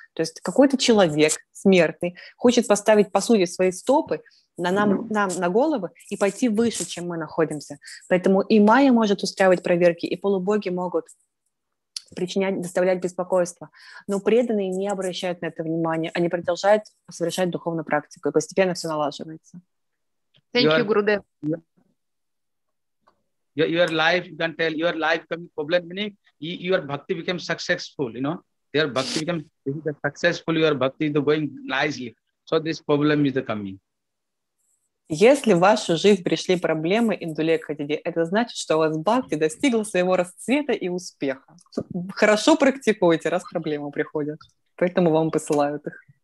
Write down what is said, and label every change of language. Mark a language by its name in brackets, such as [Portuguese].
[Russian] То есть какой-то человек смертный хочет поставить, по сути, свои стопы на нам на головы и пойти выше, чем мы находимся. Поэтому и майя может устраивать проверки, и полубоги могут причинять, доставлять беспокойство. Но преданные не обращают на это внимания. Они продолжают совершать духовную практику, и постепенно все налаживается. [English] Thank you, Гуру Дев. Your life, you can tell, your life coming problem, meaning your bhakti became successful, you know. Your bhakti became successful, your bhakti is going nicely. So this problem is coming. [Russian] Если в вашу жизнь пришли проблемы, индулек хадиди, это значит, что у вас бхакти достигла своего расцвета и успеха. Хорошо практикуйте, раз проблемы приходят. Поэтому вам посылают их.